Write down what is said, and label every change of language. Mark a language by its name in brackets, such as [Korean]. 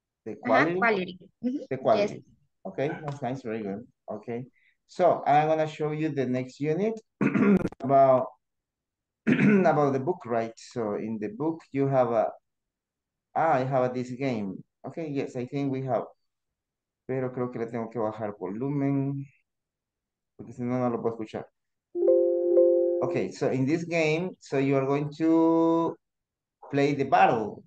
[English] Uh-huh, quality. The quality. Yes. Okay, that's nice. Very good. Okay. So I'm gonna show you the next unit about the book, right? So in the book you have I have this game. Okay, yes, I think we have. [Spanish] Pero creo que le tengo que bajar volumen porque si no no lo puedo escuchar. [English] Okay, so in this game, so you are going to play the battle.